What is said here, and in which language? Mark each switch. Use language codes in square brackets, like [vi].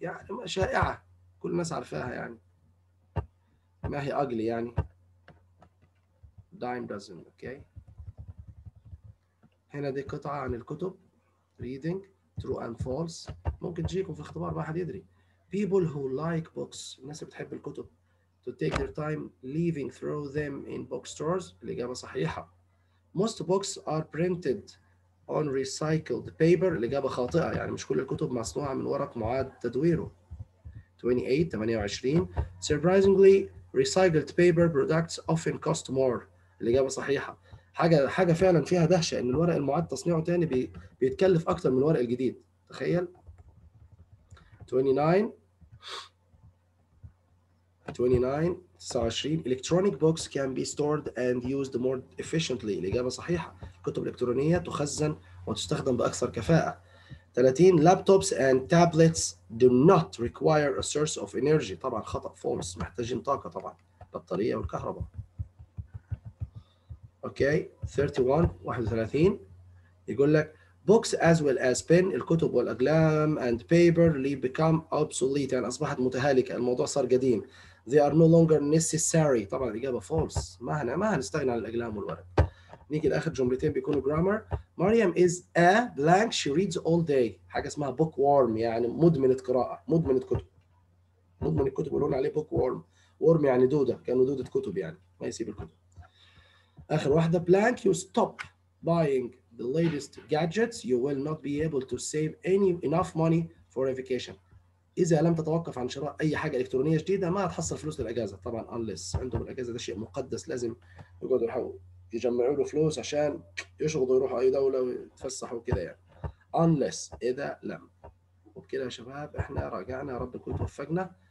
[ar] يعني شائعة. كل الناس عارفاها يعني. ما هي أقلي يعني. [en] Dime dozen. Okay. [ar] هنا دي قطعة عن الكتب. [en] Reading. True and false. [ar] ممكن تجيكم في اختبار ما حد يدري. [en] People who like books. [ar] الناس اللي بتحب الكتب. [en] To take their time leaving throw them in bookstores. [ar] الإجابة صحيحة. [en] Most books are printed on recycled paper. [ar] الإجابة خاطئة. يعني مش كل الكتب مصنوعة من ورق معاد تدويره. [en] 28. Surprisingly, recycled paper products often cost more. [ar] الإجابة صحيحة. حاجة فعلا فيها دهشة إن الورق المعاد تصنيعه تاني بيتكلف أكتر من الورق الجديد. تخيل. [en] 29 electronic books can be stored and used more efficiently. [ar] الإجابة صحيحة. كتب إلكترونية تخزن وتستخدم بأكثر كفاءة. [en] 30 laptops and tablets do not require a source of energy. [ar] طبعا خطأ. [en] false. [ar] محتاجين طاقة طبعا. بطارية والكهرباء. [en] Okay. 31 [ar] يقول لك [en] books as well as pen. [ar] الكتب والأقلام [en] and paper become obsolete. [ar] يعني أصبحت متهالكة. الموضوع صار قديم. [en] They are no longer necessary. [ar] طبعا الإجابة false. ما هنستغنى عن الأقلام والورق. نيجي لآخر جملتين بيكونوا grammar. [en] Mariam is a blank. She reads all day. [ar] حاجة اسمها [en] bookworm. [ar] يعني مدمنة قراءة. مدمنة كتب. مدمنة كتب. يقولون عليه bookworm. worm يعني دودة. كانوا دودة كتب يعني. ما يسيب الكتب. آخر واحدة. Blank. [en] You stop buying the latest gadgets. You will not be able to save any enough money for a vacation. [ar] إذا لم تتوقف عن شراء أي حاجة إلكترونية جديدة ما هتحصل فلوس للأجازة. طبعا unless عندهم الأجازة ده شيء مقدس لازم يقعدوا يجمعوا له فلوس عشان يشغلوا يروحوا أي دولة ويتفسحوا كده يعني. unless إذا لم. وبكده يا شباب احنا راجعنا. يا رب نكون توفقنا.